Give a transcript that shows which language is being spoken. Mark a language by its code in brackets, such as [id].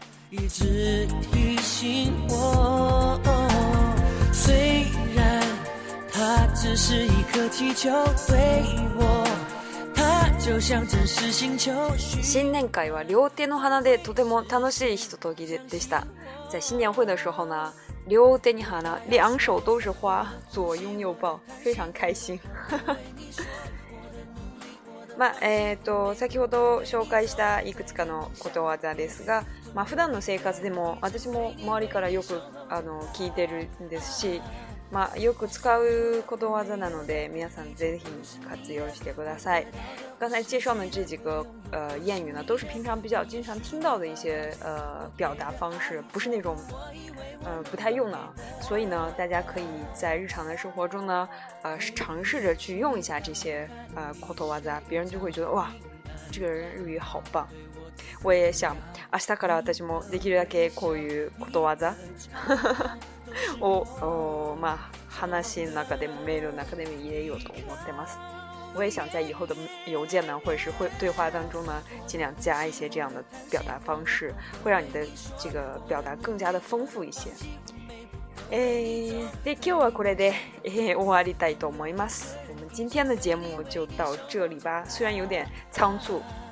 [zh] 一直提醒我，虽然它只是一颗气球，对我它就像真实星球。 [ja] 新年会は両手の花でとても楽しいひとときでした。 [zh] 在新年会的时候呢，両手に花，两手都是花，左拥右抱，非常开心。 [ja] まあ先ほど紹介したいくつかのことわざですが、まあ普段の生活でも私も周りからよく聞いてるんですし、まあよく使うことわざなので皆さんぜひ活用してください。 [zh] 刚才介绍的这几个谚语呢，都是平常比较经常听到的一些表达方式，不是那种不太用的，所以呢，大家可以在日常的生活中呢，尝试着去用一下这些ことわざ，别人就会觉得哇，这个人日语好棒。我也想， [ja] 明日から私もできるだけこういうことわざをまあ話の中でもメールの中でも入れようと思ってます。 [zh] 我也想在以后的邮件呢，或者是会对话当中呢，尽量加一些这样的表达方式，会让你的这个表达更加的丰富一些。 [ja] で今日はこれで終わりたいと思います。 [zh] 我们今天的节目就到这里吧，虽然有点仓促。